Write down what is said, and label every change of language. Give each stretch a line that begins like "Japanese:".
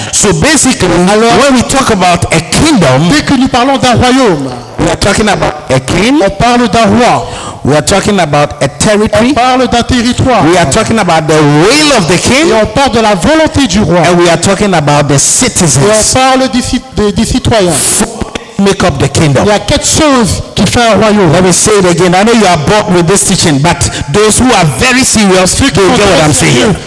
English: So basically,
French: alors,
English: when we talk about a kingdom,
French: dès que nous parlons d'un royaume,
English: we are talking about a king.
French: On parle d'un roi.
English: We are talking about a territory.
French: On parle d'un territoire.
English: We are talking about the will of the king.
French: Et on parle de la volonté du roi.
English: And we are talking about the citizens.
French: Et on parle des citoyens.
English: Make up the kingdom.
French: Il y a quatre choses qui font un royaume.
English: Let me say it again. I know you are bored with this teaching, but those who are very serious, they get what I'm saying.